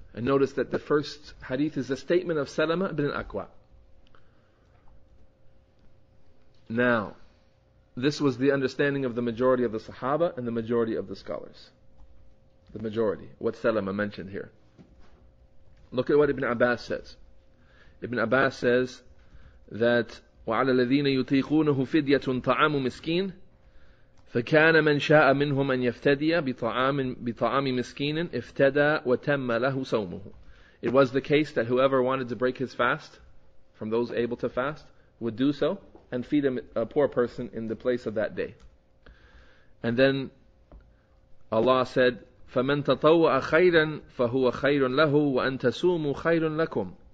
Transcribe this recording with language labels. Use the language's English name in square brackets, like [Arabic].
[English] And notice that the first hadith is the statement of Salama ibn al-Aqwa. Now, this was the understanding of the majority of the Sahaba and the majority of the scholars. The majority. What Salama mentioned here. Look at what Ibn Abbas says. Ibn Abbas says that [Arabic] وَعَلَى الَّذِينَ يُطِيقُونَهُ فِدْيَةٌ طَعَامُ مِسْكِينَ فَكَانَ مَنْ شَاءَ مِنْهُمْ أَنْ يَفْتَدِيَ بِطَعَامِ مِسْكِينٍ اِفْتَدَى وَتَمَّ لَهُ سَوْمُهُ. [English] It was the case that whoever wanted to break his fast from those able to fast would do so and feed a poor person in the place of that day. And then Allah said, [Arabic] فَمَنْ تَطَوَّأَ خَيْرًا فَهُوَ خَيْرٌ لَهُ وَأَنْ تَسُومُوا خَيْرٌ لَكُمْ.